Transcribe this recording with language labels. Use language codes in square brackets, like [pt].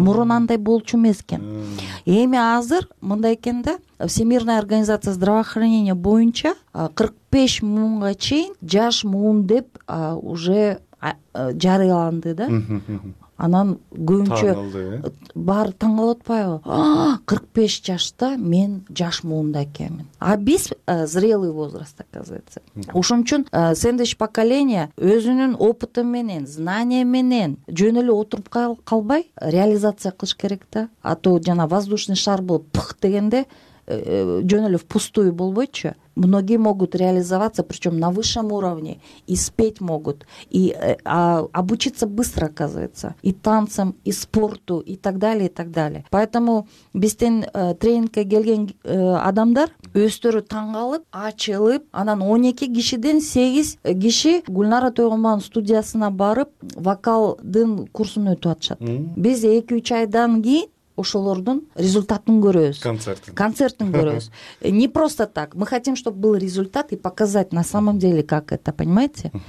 [ky] Мурунандай болчу эмес экен. Эми азыр мындай экен да, [ru] Всемирная организация здравоохранения [ky] боюнча 45 муунга чейин жаш муун деп уже жарыяланды да. Анан көбүнчө баары таң калып атпайбы? 45 жашта мен жаш муунда экенмин. [ru] А [ky] биз [ru] зрелый возраст, оказывается. [ky] Ошон үчүн [ru] сэндвич поколение [ky] өзүнүн [ru] опыты [ky] менен, [ru] знания [ky] менен жөн эле отуруп калбай реализация кылыш керек да. [ru] А то [ky] жана [ru] воздушный шар [ky] болуп пых дегенде жөн эле [ru] впустую [ky] болбойчу. [ru] Многие могут реализоваться, причем на высшем уровне, и спеть могут, и обучиться быстро, оказывается, и танцам, и спорту, и так далее, и так далее. Поэтому [ky] биздин тренингке келген адамдар өздөрү таңгалып, ачылып, анан 12 кишиден 8 киши Гүлнара Тойгонбаева студиясына барып, вокалдын курсун өтүп атышат. Биз 2-3 айдан кийин ошолордун результатын көрөбүз. Концертин көрөбүз. [ru] Не просто так. Мы хотим, чтобы был результат и показать на самом деле, как это, понимаете?